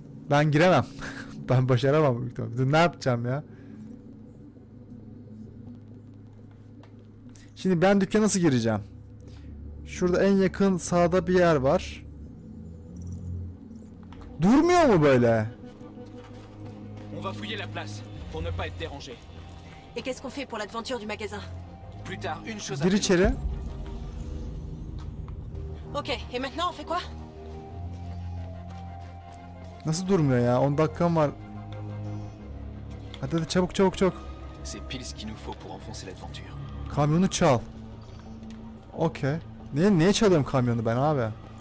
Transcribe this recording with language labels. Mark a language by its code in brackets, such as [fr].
[tr] Ben giremem. Ben başaramam. Ne yapacağım ya? Şimdi ben dükkana nasıl gireceğim? Şurada en yakın sağda bir yer var. Durmuyor mu böyle? [fr] On va fouiller la place pour ne pas être dérangé. Et qu'est-ce qu'on fait pour l'aventure du magasin? Plus tard, une chose après l'autre. OK, et maintenant on fait quoi? [tr] Nasıl durmuyor ya? 10 dakikam var. Hadi hadi, çabuk çabuk çabuk. [fr] C'est pile ce qu'il nous faut pour enfoncer l'aventure. [tr] Kamyonu çal. Okay. Niye çalıyorum kamyonu ben abi?